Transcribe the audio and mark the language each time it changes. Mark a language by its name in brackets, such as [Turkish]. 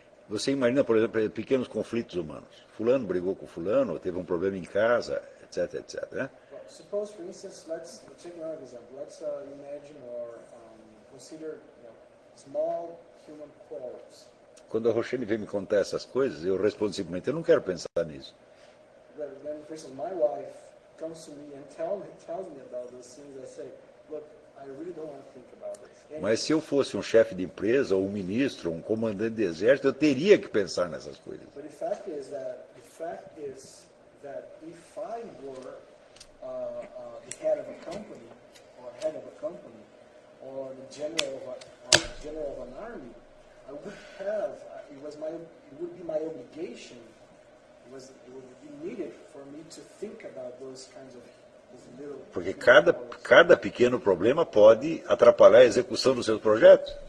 [Portuguese] Você imagina, por exemplo, pequenos conflitos humanos. Fulano brigou com fulano, teve um problema em casa, etc., etc. [English] Suppose, for instance, let's take another example. Let's imagine or consider small human quarrels. [Portuguese] Quando a Roxane vem me contar essas coisas, eu respondo simplesmente, eu não quero pensar nisso. [English] But then, for instance, my wife comes to me and tells me about those things. I say, look, I really don't want to think about it. [Portuguese] Mas se eu fosse um chefe de empresa, ou um ministro, ou um comandante de exército, eu teria que pensar nessas coisas. [English] But the fact is that if I were the head of a company, or head of a company, or the general of an army, I would have, it would be needed for me to think about those kinds of. [Portuguese] Porque cada pequeno problema pode atrapalhar a execução dos seus projetos.